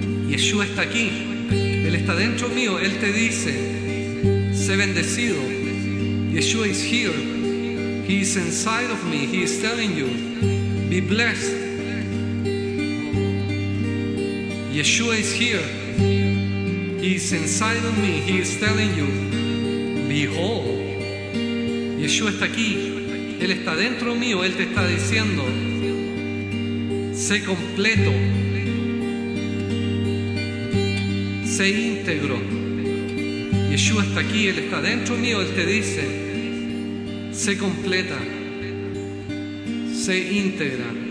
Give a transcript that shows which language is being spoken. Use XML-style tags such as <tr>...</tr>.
<es>Yeshua está aquí, Él está dentro mío, Él te dice: sé bendecido.</es> <en>Yeshua is here, He is inside of me, He is telling you, be blessed. Yeshua is here, He is inside of me, He is telling you, be whole.</en> <es>Yeshua está aquí, Él está dentro mío, Él te está diciendo: sé completo. Sé íntegro. Yeshua está aquí, Él está dentro mío, Él te dice: sé completa, sé íntegra.</es>